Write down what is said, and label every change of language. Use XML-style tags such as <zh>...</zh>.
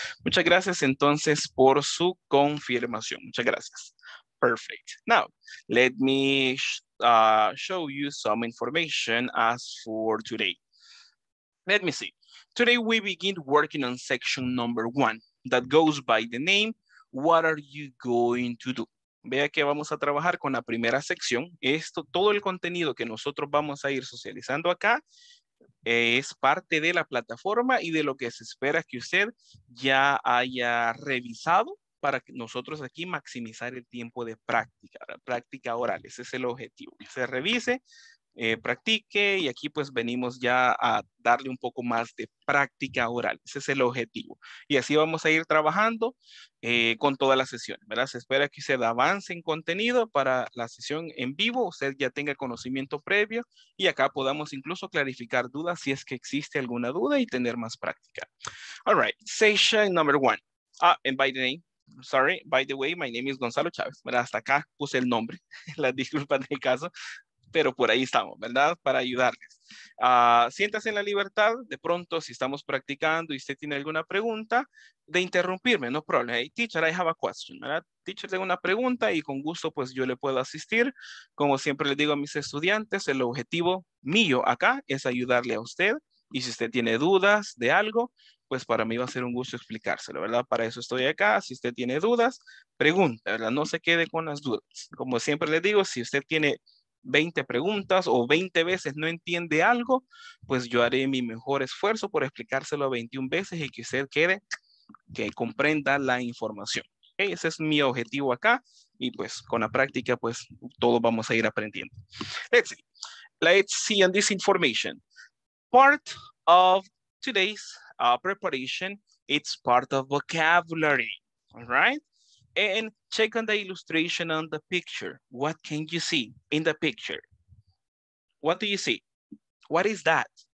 <es>Muchas gracias entonces por su confirmación. Muchas gracias. Perfect.</es> <en>Now, let me show you some information as for today. Let me see. Today we begin working on section number 1 that goes by the name, what are you going to do?</en> <es>Vea que vamos a trabajar con la primera sección. Esto, todo el contenido que nosotros vamos a ir socializando acá es parte de la plataforma y de lo que se espera que usted ya haya revisado para que nosotros aquí maximizar el tiempo de práctica oral. Ese es el objetivo, que se revise practique y aquí pues venimos ya a darle un poco más de práctica oral. Ese es el objetivo. Y así vamos a ir trabajando con toda la sesión, ¿verdad? Se espera que usted avance en contenido para la sesión en vivo, usted ya tenga conocimiento previo y acá podamos incluso clarificar dudas si es que existe alguna duda y tener más práctica.</es> <en>All right, session number one. Ah, and by the name. Sorry, by the way, my name is Gonzalo Chávez.</en> <es>¿Verdad? Hasta acá puse el nombre, las disculpas del caso, pero por ahí estamos, ¿verdad? Para ayudarles. Siéntase en la libertad, de pronto, si estamos practicando y usted tiene alguna pregunta, de interrumpirme,</es> <en>no problem. Hey, teacher, I have a question,</en> <es>¿verdad? Teacher, tengo una pregunta y con gusto, pues, yo le puedo asistir. Como siempre le digo a mis estudiantes, el objetivo mío acá es ayudarle a usted. Y si usted tiene dudas de algo, pues para mí va a ser un gusto explicárselo, ¿verdad? Para eso estoy acá. Si usted tiene dudas, pregunta, ¿verdad? No se quede con las dudas. Como siempre le digo, si usted tiene 20 preguntas o 20 veces no entiende algo, pues yo haré mi mejor esfuerzo por explicárselo 21 veces y que usted quede, que comprenda la información. ¿Okay? Ese es mi objetivo acá y pues con la práctica, pues todos vamos a ir aprendiendo.</es> <en>Let's see on this information. Part of today's preparation, it's part of vocabulary, all right? And check on the illustration on the picture. What can you see in the picture? What do you see? What is that?</en>